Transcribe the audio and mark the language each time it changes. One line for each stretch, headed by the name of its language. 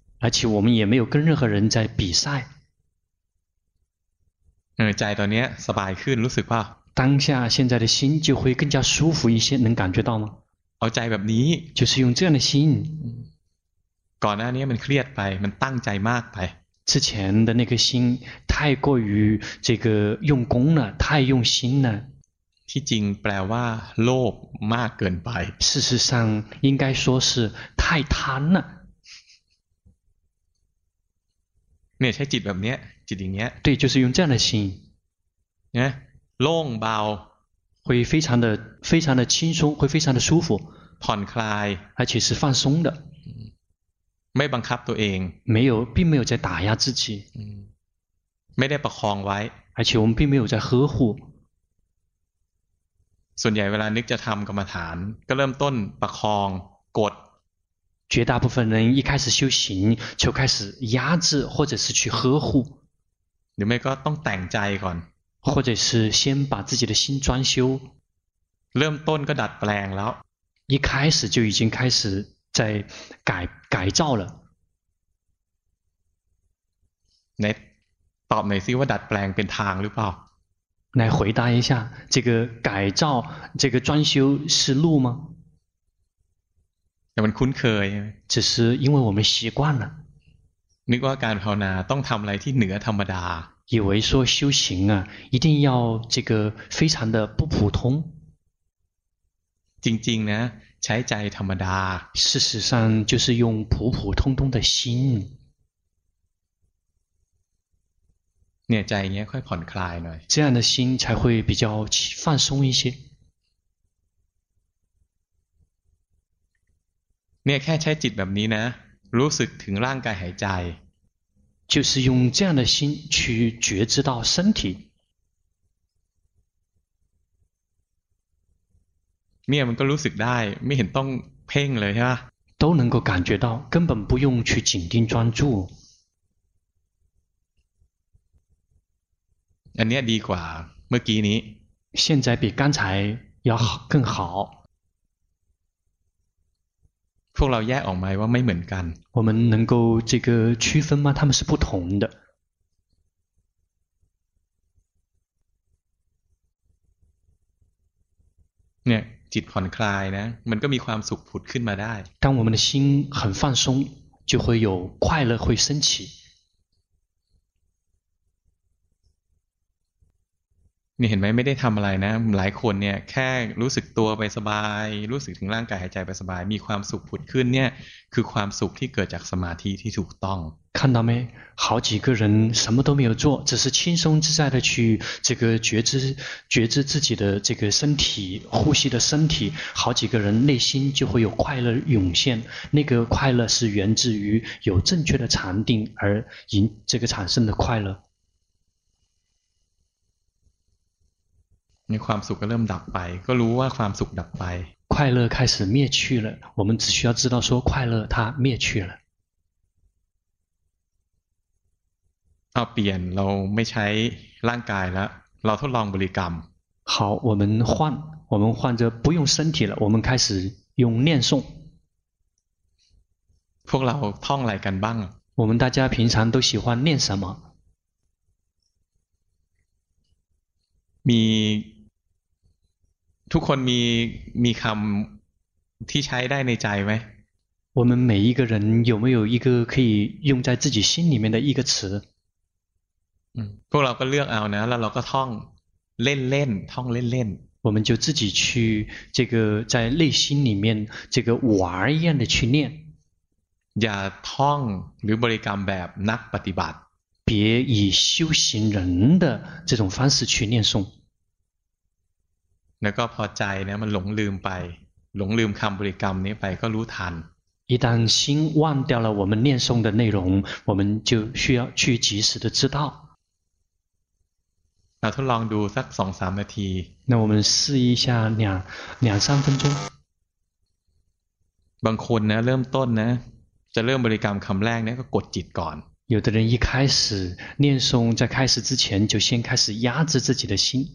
Chinese: 而且我们也没有跟任何人在比赛
Thai: ใจตอนนี้สบายขึ้นรู้สึกป่ะ
Chinese: 当下现在的心就会更加舒服一些能感觉到吗
Thai: เอาใจแบบนี้
Chinese: 就是用这样的心
Thai: ก่อนหน้านี้มันเครียดไปมันตั้งใจมากไป
Chinese: 之前的那个心太过于这个用功了太用心了
Thai: ที่จริงแปลว่าโลภมากเกินไป
Chinese: 事实上应该说是太贪了
Thai: เนี่ยใช้จิตแบบนี้จิตอย่างเงี้ย
Chinese: 对就是用这样的心
Thai: นะโล่งเบา
Chinese: 会非常的非常的轻松会非常的舒服
Thai: ผ่อนคลาย
Chinese: 而且是放松的
Thai: ไม่บังคับตัวเอง
Chinese: 没有并没有在打压自己
Thai: ไม่ได้ประคองไว้
Chinese: 而且我们并没有在呵护
Thai: ส่วนใหญ่เวลานึกจะทำกรรมฐานก็เริ่มต้นประคองกด
Chinese: 绝大部分人一开始修行就开始压制或者是去呵护
Thai: หรือไม่ก็ต้องแต่งใจก่อน
Chinese: 或者是先把自己的心装修
Thai: เริ่มต้นก็ดัดแปลงแล้ว
Chinese: 一开始就已经开始在改造了
Thai: ในตอบหน่อยสิว่าดัดแปลงเป็นทางหรือเปล่า
Chinese: 来回答一下这个改造这个装修是路吗
Thai: แต่มันคุ้นเคย
Chinese: 只是因为我们习惯了
Thai: นึกว่าการภาวนาต้องทำอะไรที่เหนือธรรมดา
Chinese: 以为说修行啊一定要这个非常的不普通
Thai: จริงๆนะใช้ใจธรรมดา
Chinese: 事实上就是用普普通通的心
Thai: เนี่ยใจเงี้ยค่อยผ่อนคลายหน่อย
Chinese: 这样的心才会比较放松一些
Thai: เนี่ยแค่ใช้จิตแบบนี้นะรู้สึกถึงร่างกายหายใจ
Chinese: 就是用这样的心去觉知到身体
Thai: เนี่ยมันก็รู้สึกได้ไม่เห็นต้องเพ่งเลยใช่ป่ะ
Chinese: 都能够感觉到根本不用去紧盯专注
Thai: อันนี้ดีกว่าเมื่อกี้นี้
Chinese: 现在比刚才要好更好
Thai: พวกเราแยกออกไหมว่าไม่เหมือนกัน
Chinese: 我们能够这个区分吗他们是不同的
Thai: เนี่ยจิตผ่อนคลายนะมันก็มีความสุขผุดขึ้นมาได้
Chinese: 当我们的心很放松就会有快乐会升起
Thai: นี่เห็นไหมไม่ได้ทำอะไรนะหลายคนเนี่ยแค่รู้สึกตัวไปสบายรู้สึกถึงร่างกายหายใจไปสบายมีความสุขผุดขึ้นเนี่ยคือความสุขที่เกิดจากสมาธิที่ถูกต้อง
Chinese: 看到没好几个人什么都没有做只是轻松自在的去这个觉知自己的这个身体呼吸的身体好几个人内心就会有快乐涌现那个快乐是源自于有正确的禅定而引这个产生的快乐
Thai: มีความสุขก็เริ่มดับไปก็รู้ว่าความสุขดับไป
Chinese: 快乐开始灭去了我们只需要知道说快乐它灭去了
Thai: เอาเปลี่ยนเราไม่ใช้ร่างกายแล้วเราทดลองบริกรรม
Chinese: 好我们换着不用身体了我们开始用念诵
Thai: พวกเราท่องอะไรกันบ้าง
Chinese: 我们大家平常都喜欢念什么
Thai: มีทุกคนมีคำที่ใช้ได้ในใจไหม
Chinese: 我们每一个人有没有一个可以用在自己心里面的一个词
Thai: พวกเราก็เลือกเอานะแล้วเราก็ท่องเล่นๆท่องเล่น
Chinese: ๆ我们就自己去这个在内心里面这个玩一样的去念
Thai: อย่าท่องหรือบริกรรมแบบนักปฏิบัติ
Chinese: 别以修行人的这种方式去念诵
Thai: แล้วก็พอใจเนี่ยมันหลงลืมไปหลงลืมคำบริกรรมนี้ไปก็รู้ทัน
Chinese: 一旦心忘掉了我们念诵的内容我们就需要去及时的知道
Thai: 那ทดลองดูสัก 2-3 นาที
Chinese: 那我们试一下两三分钟
Thai: บางคนนะเริ่มต้นนะจะเริ่มบริกรรมคำแรกเนี่ยก็กดจิตก่อน
Chinese: 有的人一开始念诵在开始之前就先开始压制自己的心